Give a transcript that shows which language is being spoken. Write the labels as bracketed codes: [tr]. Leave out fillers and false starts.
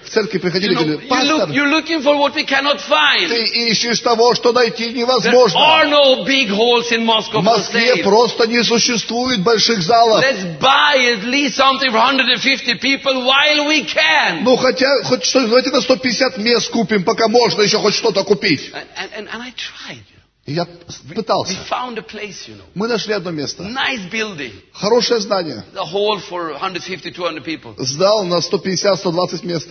[ru] в церкви приходили и говорили: пастор, [en] you're looking for what we cannot find. [ru] Ты ищешь того, что найти невозможно. [en] There are no big halls in Moscow. [ru] В Москве просто не существует больших залов. [en] Let's buy at least something for 150 people while we can. [ru] Ну хотя хоть что, давайте на 150 мест купим, пока можно еще хоть что-то купить. [en] And I tried. [ru] Я пытался. [en] We found a place, you know. [ru] Мы нашли одно место. [en] Nice building. [ru] Хорошее здание. [en] A hall for 150-200 people. [ru] Зал на 150-120 мест.